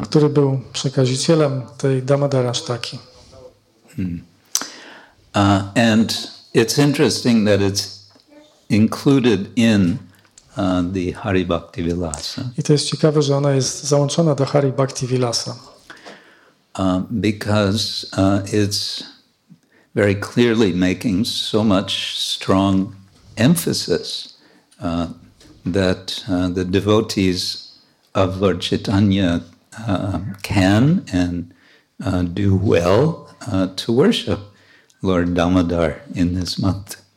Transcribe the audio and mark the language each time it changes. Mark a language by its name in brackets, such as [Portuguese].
[Polish] Który był przekazicielem tej Damodara Ashtaki. [English] And it's interesting that it's included in the Hari Bhakti Vilasa. [Polish] I to jest ciekawe, że ona jest załączona do Hari Bhakti Vilasa. [English] Because it's very clearly making so much strong emphasis that the devotees of Lord Chaitanya can and do well to worship Lord Damodar in this month.